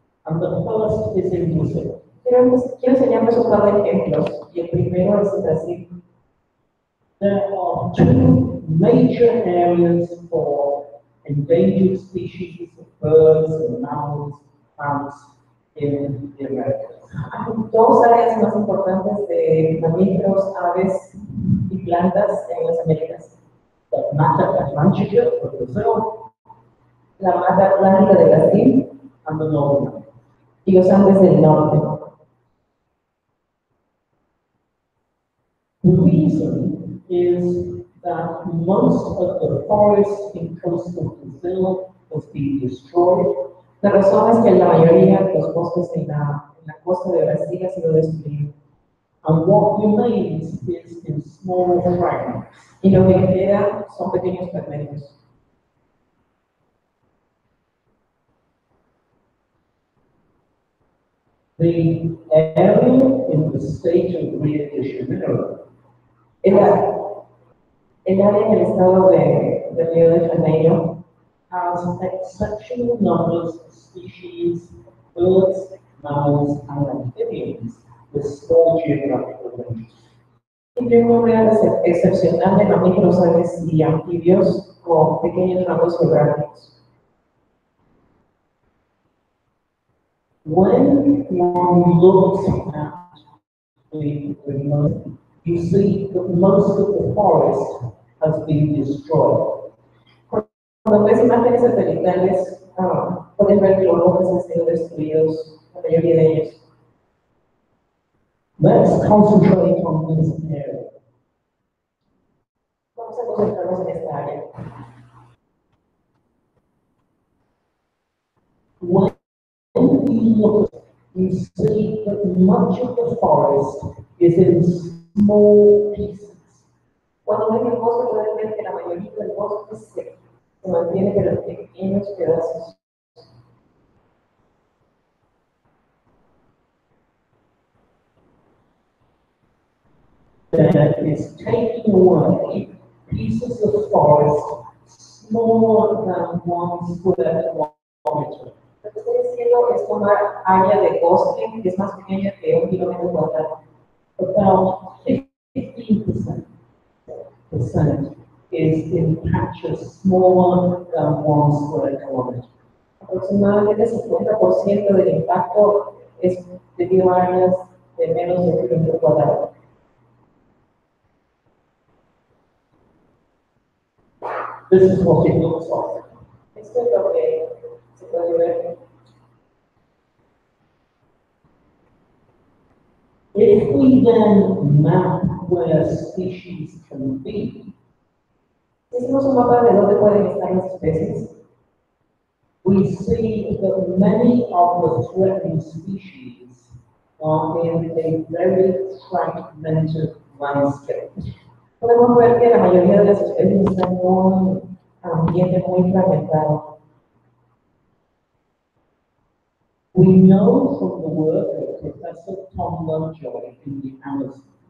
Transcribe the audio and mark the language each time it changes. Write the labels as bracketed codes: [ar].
[en] And the first is in Brazil. [es] Quiero enseñarles un par de ejemplos. Y el primero es en Brasil. [en] There are two major areas for endangered species of birds and mammals, plants [es] en dos áreas más importantes de mamíferos, aves y plantas en las Américas. La mata atlántica, profesor. La mata atlántica de Brasil. [en] And the Northern. [es] Y los Andes del Norte. [en] The reason is that most of the forest in coastal Brazil has been destroyed. [es] La razón es que la mayoría de los bosques en la costa de Brasil ha sido destruido. [en] And what remains is in small fragments. [es] Y lo que queda son pequeños fragmentos. [en] The area in the state of Rio de Janeiro. [es] El área en el estado de Rio de Janeiro [en] has exceptional numbers of species, birds, mammals, and amphibians with small geographical ranges. [es] Tiene un área excepcional de mamíferos, aves y anfibios con pequeños rangos geográficos. [en] When one looks at the remote, you see that most of the forest has been destroyed. [es] Cuando ves imágenes satelitales, puedes ver que los bosques han sido destruidos, la mayoría de ellos. [en] Let's concentrate on this area. [es] Vamos a concentrarnos en esta área. [en] When you look, you see that much of the forest is in small pieces. [es] Cuando ves el bosque, puedes ver que la mayoría del bosque es seco. Se mantiene pero en pequeños pedazos. [en] That is taking away pieces of forest smaller than 1 square kilometer. [es] Lo que estoy diciendo es tomar área de bosque que es más pequeña que 1 kilómetro cuadrado. [en] About 15% is in patches smaller than 1 square kilometer. [es] Aproximadamente 50% del impacto es debido a áreas de menos de 1 kilómetro cuadrado. [en] This is what it looks like. [es] Esto es lo que se puede ver. [en] If we then map where species can be, we see that many of the threatened species are in a very fragmented landscape. [es] Podemos ver que la mayoría de las especies están en un ambiente muy fragmentado. [en] We know from the work of Professor Tom Lovejoy in the Amazon.